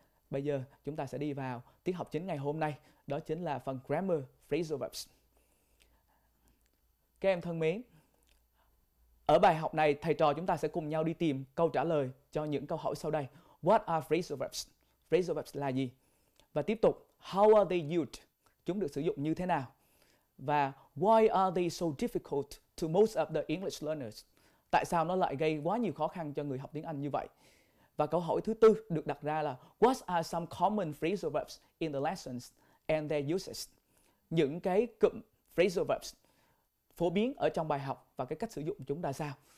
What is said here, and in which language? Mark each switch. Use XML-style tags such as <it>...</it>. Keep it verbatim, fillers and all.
<vi>Bây giờ chúng ta sẽ đi vào tiết học chính ngày hôm nay, đó chính là phần grammar phrasal verbs. Các em thân mến, ở bài học này thầy trò chúng ta sẽ cùng nhau đi tìm câu trả lời cho những câu hỏi sau đây.</vi> <en>What are phrasal verbs? Phrasal verbs</en> <vi>là gì? Và tiếp tục,</vi> <en>how are they used?</en> <vi>Chúng được sử dụng như thế nào? Và</vi> <en>why are they so difficult to most of the English learners?</en> <vi>Tại sao nó lại gây quá nhiều khó khăn cho người học tiếng Anh như vậy? Và câu hỏi thứ tư được đặt ra là</vi> <en>what are some common phrasal verbs in the lessons and their uses?</en> <vi>Những cái cụm phrasal verbs phổ biến ở trong bài học và cái cách sử dụng chúng là sao?</vi>